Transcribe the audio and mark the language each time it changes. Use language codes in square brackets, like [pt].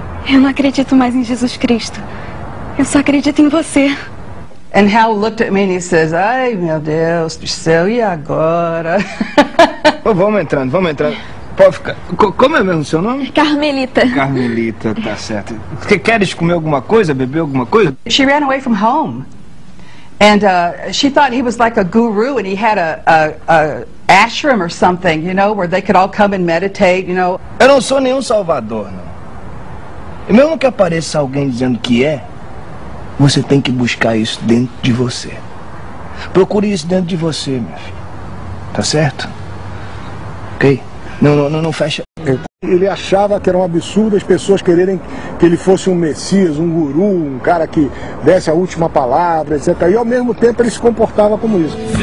[pt] Eu não acredito mais em Jesus Cristo. Eu só acredito em você. [en] And Hal looked at me and he says, [pt] ai meu Deus do céu, e agora? Oh, vamos entrando. Pode ficar. Como é mesmo o seu nome? Carmelita. Carmelita, tá certo. Você queres comer alguma coisa, beber alguma coisa? [en] She ran away from home. And she thought he was like a guru and he had a ashram or something, you know, where they could all come and meditate, you know. [pt] Eu não sou nenhum salvador, não. E mesmo que apareça alguém dizendo que é, você tem que buscar isso dentro de você. Procure isso dentro de você, minha filha. Tá certo? Ok? Não fecha. Ele achava que era um absurdo as pessoas quererem que ele fosse um messias, um guru, um cara que desse a última palavra, etc. E ao mesmo tempo ele se comportava como isso.